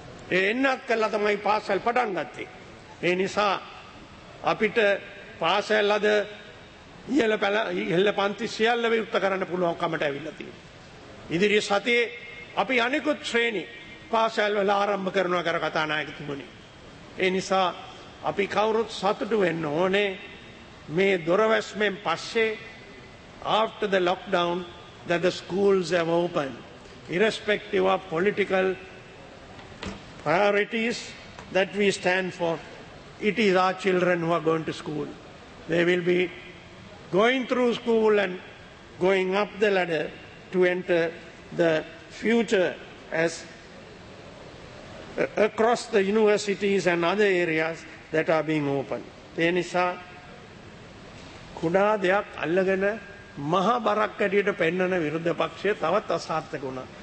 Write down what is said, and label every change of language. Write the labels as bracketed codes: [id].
[si] ඒ එන්නත් කළා තමයි පාසල් පටන් ගත්තේ. ඒ නිසා අපිට පාසල් අද ඉහළ පන්ති සියල්ල විවෘත කරන්න පුළුවන්කමට ඇවිල්ලා තියෙනවා. ඉදිරි සතියේ අපි අනිකුත් ශ්‍රේණි පාසල් වල ආරම්භ කරනවා කර කථානායකතුමනි. ඒ නිසා අපි කවුරුත් සතුටු වෙන්න ඕනේ මේ දොරවැස්මෙන් පස්සේ [en] after the lockdown that the schools have opened irrespective of political priorities that we stand for. It is our children who are going to school. They will be going through school and going up the ladder to enter the future as across the universities and other areas that are being opened. [si] ඒ නිසා කුඩා දෙයක් අල්ලගෙන මහ බරක් ඇටියට පෙන්වන විරුද්ධ පක්ෂය තවත් අසාර්ථක වුණා.